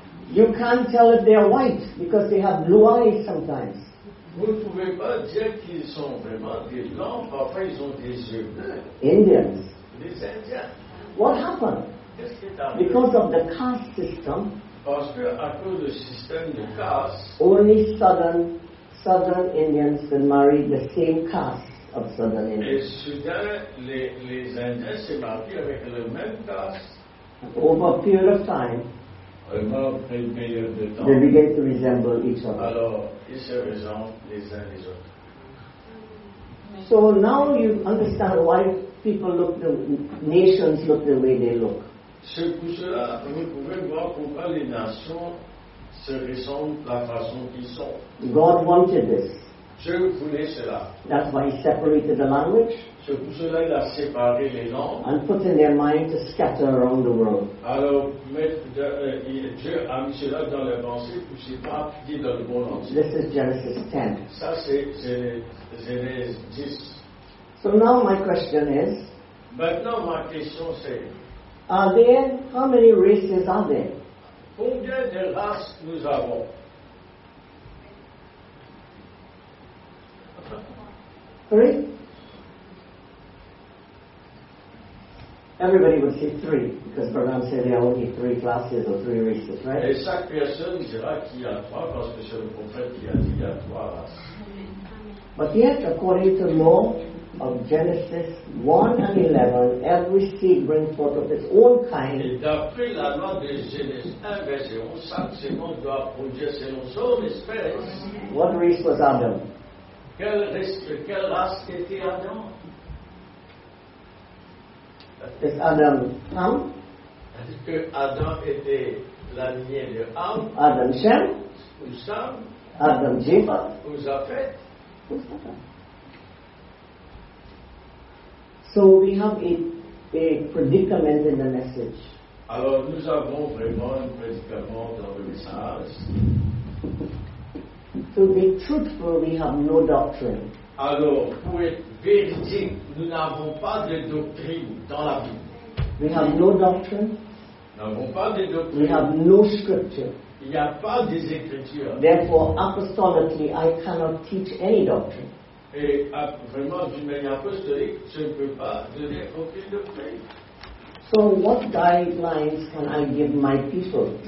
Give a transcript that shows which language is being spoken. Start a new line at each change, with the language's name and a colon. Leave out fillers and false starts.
English: You can't tell if they are white because they have blue eyes sometimes.
French: Vous pouvez pas dire qu'ils sont vraiment des blancs, parfois ils ont des yeux bleus.
English: Indians.
French: Les Indiens.
English: What happened? Because of the caste system.
French: Parce que à cause du système de caste.
English: Only southern Indians can marry the same caste of southern Indians.
French: Et soudain, les Indiens se marient avec le même caste.
English: Over a period of time, they begin to resemble each other.
French: Alors, ils se ressemblent les uns les autres.
English: So now you understand why people look the nations look the way they look.
French: C'est pour cela que vous pouvez voir pourquoi les nations se ressemblent la façon qu'ils sont.
English: God wanted this.
French: Dieu voulait cela.
English: That's why he separated the language.
French: C'est pour cela qu'il a séparé les langues.
English: And put in their mind to scatter around the world.
French: Alors, Dieu a mis cela dans les pensées pour séparer dans le monde entier.
English: This is Genesis 10.
French: Ça, c'est Genèse 10.
English: So now my question is,
French: maintenant, ma question c'est,
English: how many races are there?
French: Combien de races nous avons?
English: Three? Everybody would say three, because Brahman said there are only three classes or three races, right?
French: Et chaque personne dira qu'il y a trois, parce que c'est le prophète qui a dit qu'il y a trois races.
English: But yet, according to the law of Genesis 1 and 11, every seed brings forth of its own kind.
French: Et d'après la loi de Genèse 1, verset 11, chaque semence doit produire selon son espèce.
English: What race was Adam?
French: Quelle race était Adam?
English: Is Adam Ham?
French: Est-ce que Adam était la lignée de Ham?
English: Adam Shem?
French: Ou Sam?
English: Adam Jepha?
French: Ou Japheth?
English: So we have a predicament in the message.
French: Alors nous avons vraiment un prédicament dans le message.
English: To be truthful, we have no doctrine.
French: Alors, pour être véridique, nous n'avons pas de doctrine dans la Bible.
English: We have no doctrine.
French: Nous n'avons pas de doctrine.
English: We have no scripture.
French: Il n'y a pas des écritures.
English: Therefore, apostolically, I cannot teach any doctrine.
French: Et vraiment, d'une manière apostolique, je ne peux pas donner aucune doctrine.
English: So, what guidelines can I give my people?